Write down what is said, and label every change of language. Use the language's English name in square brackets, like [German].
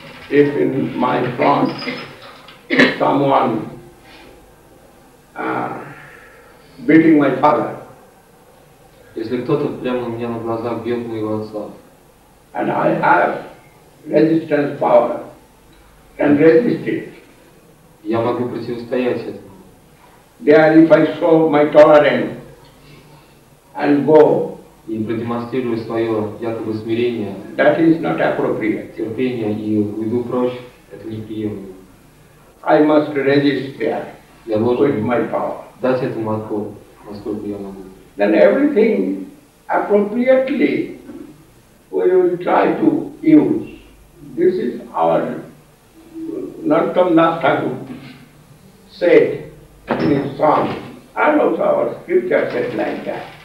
[English] If in my front someone beating my father, [Russian] Если кто-то прямо у меня на глазах бьет моего отца. [English] And I have resistance power. Can resist it. [Russian] Я могу противостоять этому. [English] There if I show my tolerance and go. [Russian] И продемонстрирую свое якобы смирение. [English] That is not appropriate. [Russian] Терпение и уйду прочь. Это неприемлемо. [English] I must resist there. [Russian] Я должен [English] with my power. [Russian] Дать этому отпор, насколько я могу. [English] Then everything appropriately we will try to use. This is our Narottam Das Thakur said in his song, and also our scripture said like that.